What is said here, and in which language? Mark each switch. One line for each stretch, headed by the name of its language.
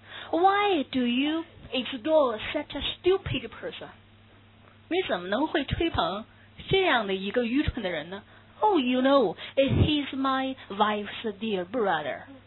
English: Why do you exalt such a stupid person?
Chinese: 你怎么能会吹捧这样的一个愚蠢的人呢？
English: Oh, you know, he's my wife's dear brother.